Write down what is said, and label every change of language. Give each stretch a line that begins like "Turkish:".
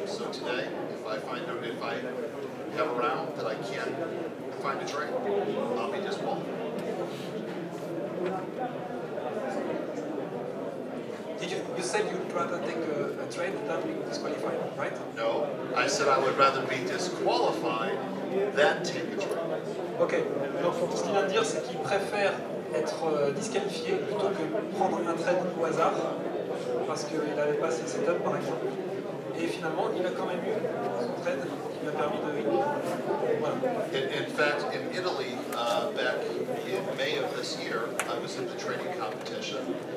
English: So today, if I have a round that I can't find a trade, I'll be disqualified. You said you'd rather take a trade than be disqualified, right? No, I said I would rather be disqualified than take a trade.
French: Okay, donc ce qu'il vient de dire, c'est qu'il préfère être disqualifié plutôt que prendre un trade au hasard, parce qu'il avait pas ses setups, par exemple. Et finalement, il a quand même eu son trade qui lui a permis de gagner.
English: In fact, in Italy, back in May of this year, I was in the trading competition.